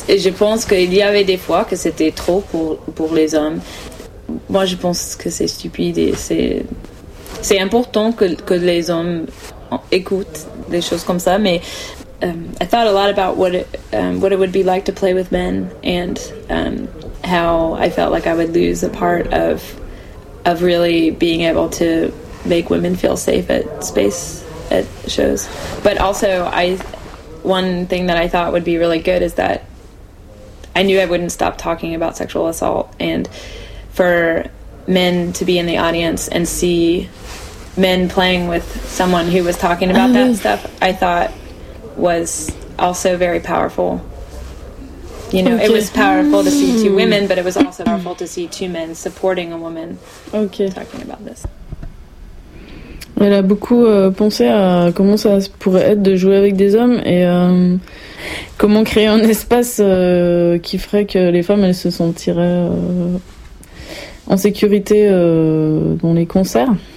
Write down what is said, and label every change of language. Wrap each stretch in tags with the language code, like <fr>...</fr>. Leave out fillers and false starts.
<fr>Et je pense qu'il y avait des fois que c'était trop pour les hommes. Moi je pense que c'est stupide et c'est important que les hommes écoutent des choses comme ça, mais</fr> <en>I thought a lot about what it would be like to play with men and how I felt like I would lose a part of really being able to make women feel safe at space at shows. But also, one thing that I thought would be really good is that I knew I wouldn't stop talking about sexual assault, and for men to be in the audience and see men playing with someone who was talking about that stuff, I thought was also very powerful. You know, okay. It was powerful to see two women, but it was also powerful to see two men supporting a woman talking about this.</en> <fr>Elle a beaucoup pensé à comment ça pourrait être de jouer avec des hommes et comment créer un espace qui ferait que les femmes elles se sentiraient en sécurité dans les concerts.</fr>